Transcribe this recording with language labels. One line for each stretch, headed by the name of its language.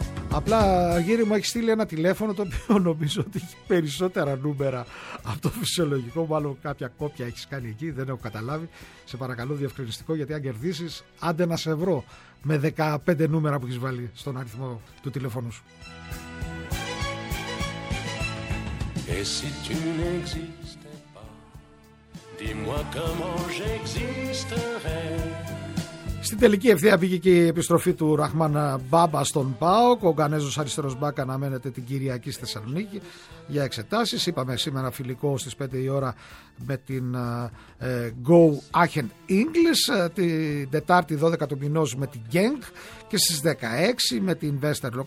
Greek: Απλά, Αργύρη μου, έχει στείλει ένα τηλέφωνο το οποίο νομίζω ότι έχει περισσότερα νούμερα από το φυσιολογικό. Μάλλον κάποια κόπια έχεις κάνει εκεί, δεν έχω καταλάβει. Σε παρακαλώ διευκρινιστικό, γιατί αν κερδίσεις, άντε να σε βρω με 15 νούμερα που έχεις βάλει στον αριθμό του τηλέφωνου σου.
French: Et si tu n'existais pas, dis-moi comment j'existerais.
Greek: Στην τελική ευθεία πήγε και η επιστροφή του Ραχμάν Μπάμπα στον ΠΑΟΚ. Ο Γκανέζος αριστερός μπακ αναμένεται την Κυριακή στη Θεσσαλονίκη για εξετάσεις. Είπαμε σήμερα φιλικό στις 5 η ώρα με την Go Aachen English. Την Τετάρτη 12 του μηνός με την Genk και στις 16 με την Westerlo.